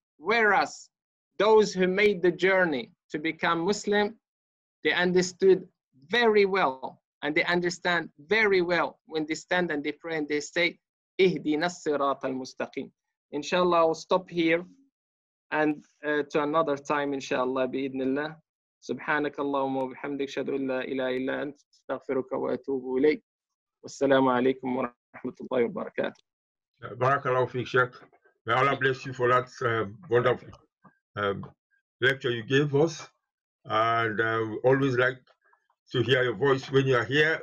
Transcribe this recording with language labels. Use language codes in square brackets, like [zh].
[en] Whereas those who made the journey to become Muslim, they understood very well, and they understand very well when they stand and they pray and they say, [ar] اهدنا الصراط المستقيم. [en] Inshallah, I'll stop here and to another time, inshallah, [ar] بإذن الله. سبحانك اللهم وبحمدك اشهد ان لا اله الا انت استغفرك واتوب اليك والسلام عليكم ورحمه الله وبركاته. بارك الله فيك شيخ. [en] May Allah bless you for that wonderful lecture you gave us. And we always like to hear your voice when you are here.